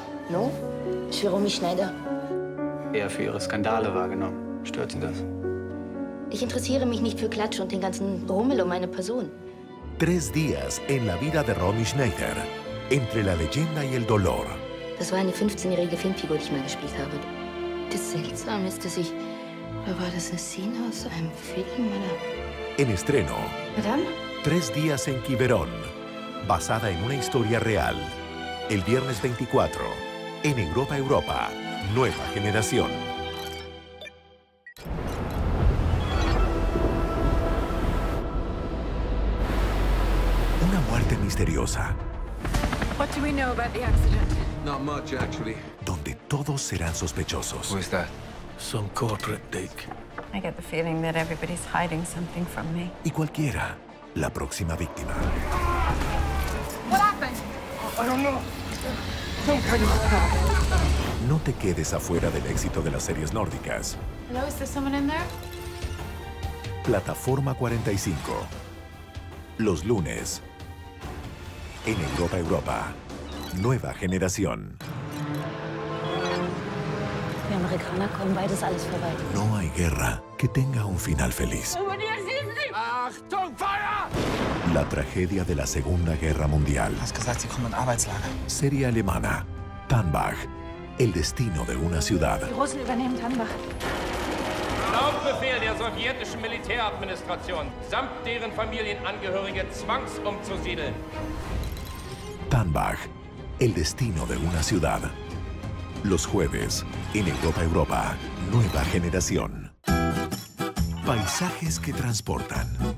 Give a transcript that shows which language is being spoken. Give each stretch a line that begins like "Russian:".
French: Non, je suis Romy Schneider.
German: Eher für ihre Skandale wahrgenommen. Stört Sie das? Ich interessiere mich nicht für Klatsch und den ganzen Rummel um meine Person.
Spanish: Tres días en la vida de Romy Schneider. Entre la leyenda y el dolor.
German: Das war eine 15-jährige Filmfigur, die ich mal gespielt habe. Das seltsam ist, dass ich... Oder war das eine Szene aus einem Film, oder...
Spanish: En estreno.
French: Madame?
Spanish: Tres días en Quiberón. Basada en una historia real. El viernes 24. En Europa, Europa. Nueva generación. Una muerte misteriosa.
English: What do we know about the accident? Not much, actually.
Spanish: Donde todos serán sospechosos.
English: Who is that? Some corporate dick. I get the feeling that everybody's hiding something from me.
Spanish: Y cualquiera, la próxima víctima.
English: What happened? I don't know. Some kind of attack.
Spanish: No te quedes afuera del éxito de las series nórdicas.
English: Hello, is there someone in there?
Spanish: Plataforma 45. Los lunes. En Europa, Europa. Nueva generación.
German: Die Amerikaner kommen, bald ist alles vorbei.
Spanish: No hay guerra que tenga un final feliz.
German: Achtung, Feuer!
Spanish: La tragedia de la Segunda Guerra Mundial.
German: Hast gesagt, sie kommen in Arbeitslager.
Spanish: Serie alemana. Tannbach. El destino de una ciudad.
German: Laufbefehl der sowjetischen Militäradministration samt deren Familienangehörige zwangsumzusiedeln.
Spanish: Tannbach, el destino de una ciudad. Los jueves en Europa, Europa, nueva generación. Paisajes que transportan.